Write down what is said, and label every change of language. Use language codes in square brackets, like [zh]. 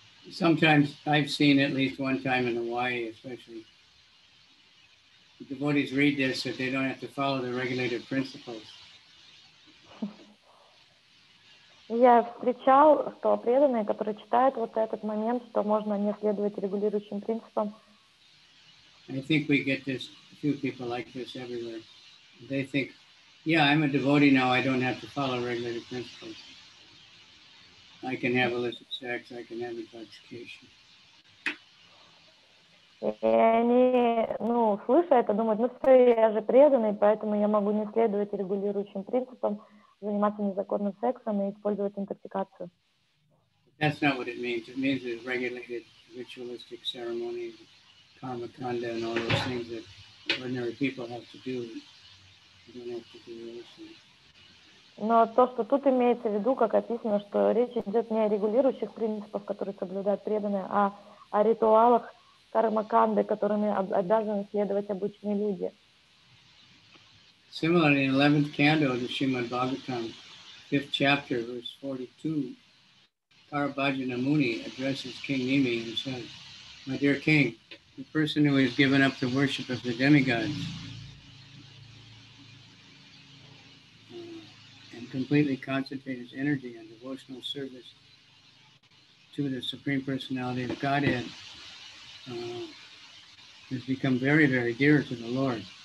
[en] Sometimes I've seen at least one time in Hawaii, especially, the devotees read this that they don't have to follow the regulated principles. [ru] Я встречал, что преданные, которые читают вот этот момент, что можно не следовать регулирующим принципам. [en] I think we get this, a few people like this everywhere. They think, yeah, I'm a devotee now, I don't have to follow regulated principles. I can have illicit sex, I can have intoxication. [ru] И они, ну, слыша это, думают, ну, что я же преданный, поэтому я могу не следовать регулирующим принципам, заниматься незаконным сексом и использовать интоксикацию. [en] That's not what it means. It means the regulated ritualistic ceremonies, karma kanda, and all those things that ordinary people have to do. You don't have to do those. [ru] Но то, что тут имеется в виду, как описано, что речь идет не о регулирующих принципах, которые соблюдают преданные, а о ритуалах кармаканды, которыми обязаны следовать обычные люди. [en] Similarly, in 11th canto of the Srimad Bhagavatam, 5th chapter, verse 42, Parabhajana Muni addresses King Nimi and says, "My dear king, the person who has given up the worship of the demigods completely concentrate his energy on devotional service to the Supreme Personality of Godhead has become very, very dear to the Lord.